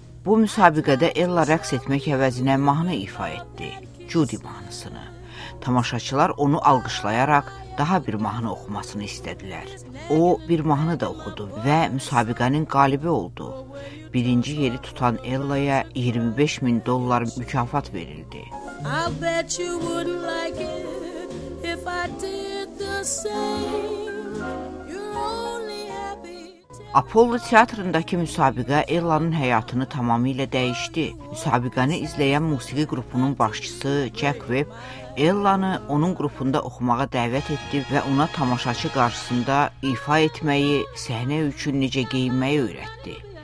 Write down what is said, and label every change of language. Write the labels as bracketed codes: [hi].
[az] Bu müsabiqədə Ella rəqs etmək əvəzinə mahnı ifa etdi, Judy mahnısını. Tamaşaçılar onu alqışlayaraq daha bir mahnı oxumasını istədilər. O, bir mahnı da oxudu və müsabiqənin qalibi oldu. Birinci yeri tutan Ella'ya 25 min dollar mükafat verildi. [en] I'll bet you wouldn't like it if I did the same. You're only happy to... [az] Apollo teatrındakı müsabiqə Ella'nın həyatını tamamilə dəyişdi. Müsabiqəni izləyən musiqi qrupunun başçısı Jack Webb Ella'nı onun qrupunda oxumağa dəvət etdi və ona tamaşaçı qarşısında ifa etməyi, səhnə üçün necə geyinməyi öyrətdi.